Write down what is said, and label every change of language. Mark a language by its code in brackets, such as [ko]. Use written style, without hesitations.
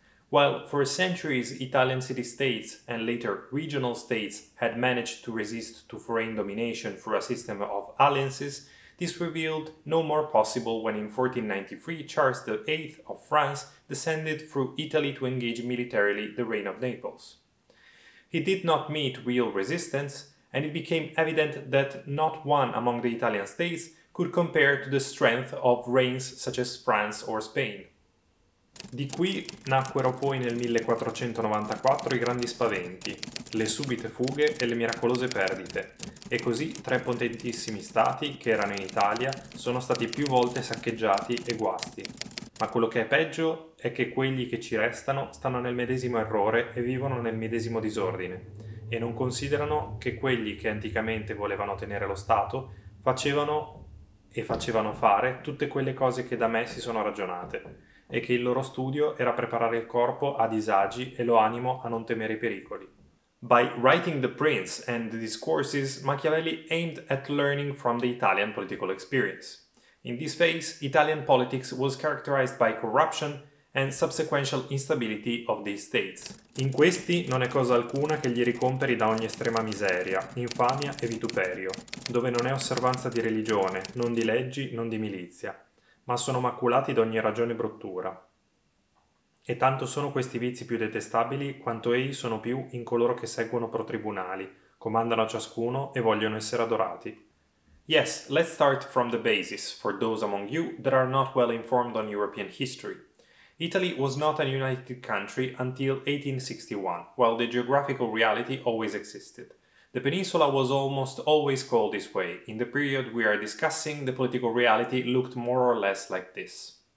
[en] While for centuries Italian city-states and later regional states had managed to resist to foreign domination through a system of alliances, this revealed no more possible when in 1493 Charles VIII of France descended through Italy to engage militarily the reign of Naples. He did not meet real resistance, and it became evident that not one among the Italian states could compare to the strength of reigns such as France or Spain. [it] Di qui nacquero poi nel 1494 i grandi spaventi, le subite fughe e le miracolose perdite, e così tre potentissimi stati che erano in Italia sono stati più volte saccheggiati e guasti. Ma quello che è peggio è che quelli che ci restano stanno nel medesimo errore e vivono nel medesimo disordine, e non considerano che quelli che anticamente volevano tenere lo Stato facevano e facevano fare tutte quelle cose che da me si sono ragionate, e che il loro studio era preparare il corpo a disagi e lo animo a non temere i pericoli. [en] By writing The Prince and the Discourses, Machiavelli aimed at learning from the Italian political experience. In this phase, Italian politics was characterized by corruption and subsequential instability of these states. [it] In questi non è cosa alcuna che gli ricomperi da ogni estrema miseria, infamia e vituperio, dove non è osservanza di religione, non di leggi, non di milizia, ma sono maculati da ogni ragione bruttura. E tanto sono questi vizi più detestabili quanto ei sono più in coloro che seguono pro tribunali, comandano a ciascuno e vogliono essere adorati. [en] Yes, let's start from the basis, for those among you that are not well informed on European history. Italy was not a united country until 1861, while the geographical reality always existed. The peninsula was almost always called this way. In the period we are discussing, the political reality looked more or less like this.